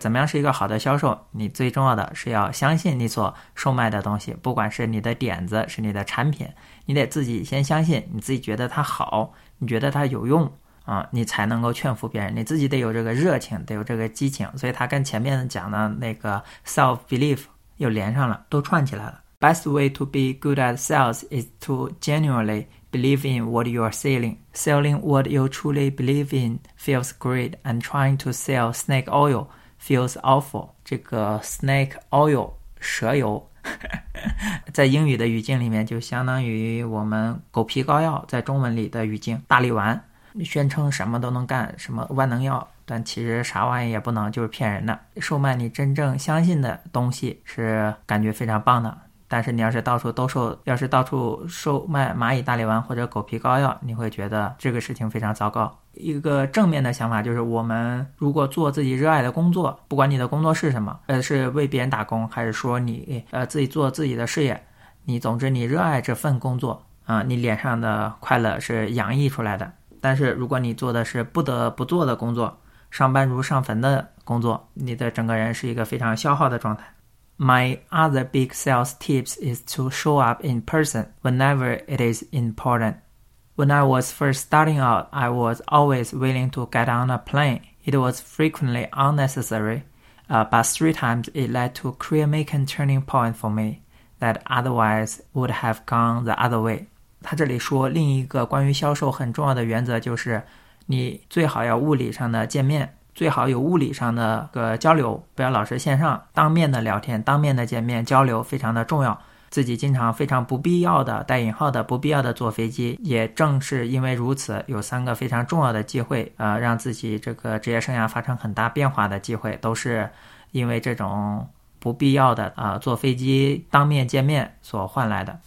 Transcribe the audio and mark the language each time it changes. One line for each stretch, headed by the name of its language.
Chinese: 怎么样是一个好的销售？你最重要的是要相信你所售卖的东西，不管是你的点子，是你的产品，你得自己先相信，你自己觉得它好，你觉得它有用。你才能够劝服别人，你自己得有这个热情，得有这个激情。所以他跟前面讲的那个 self belief 又连上了，都串起来了。
English: Best way to be good at sales is to genuinely believe in what you are selling. Selling what you truly believe in feels great, and trying to sell snake oil feels awful.
Chinese: 这个 snake oil 蛇油在英语的语境里面就相当于我们狗皮膏药在中文里的语境，大力丸，宣称什么都能干，什么万能药，但其实啥玩意也不能，就是骗人的。售卖你真正相信的东西是感觉非常棒的，但是你要是到处售卖蚂蚁大力丸或者狗皮膏药，你会觉得这个事情非常糟糕。一个正面的想法，就是我们如果做自己热爱的工作，不管你的工作是什么，是为别人打工，还是说你自己做自己的事业，你总之你热爱这份工作啊，你脸上的快乐是洋溢出来的。但是如果你做的是不得不做的工作，上班如上坟的工作，你的整个人是一个非常消耗的状态。
English: My other big sales tips is to show up in person whenever it is important. When I was first starting out, I was always willing to get on a plane. It was frequently unnecessary, but three times it led to a career-making turning point for me that otherwise would have gone the other way.
Chinese: 他这里说另一个关于销售很重要的原则就是你最好要物理上的见面，最好有物理上的个交流，不要老是线上当面的聊天，当面的见面交流非常的重要。自己经常非常不必要的带引号的不必要的坐飞机，也正是因为如此，有三个非常重要的机会，让自己这个职业生涯发生很大变化的机会，都是因为这种不必要的坐飞机当面见面所换来的。